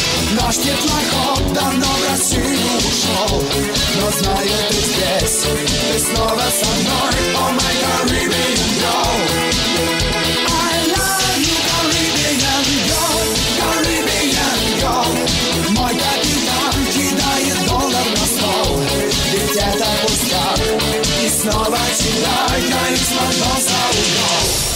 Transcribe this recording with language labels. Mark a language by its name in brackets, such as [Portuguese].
[Russian] Наш теплоход давно в Россию ушел, но знаю, ты здесь, ты снова со мной. [English] Oh, my Caribbean girl, I love you, Caribbean girl, Caribbean girl. [Russian] Мой капитан кидает доллар на стол, ведь это пустяк, и снова тебя я испорчу за угол.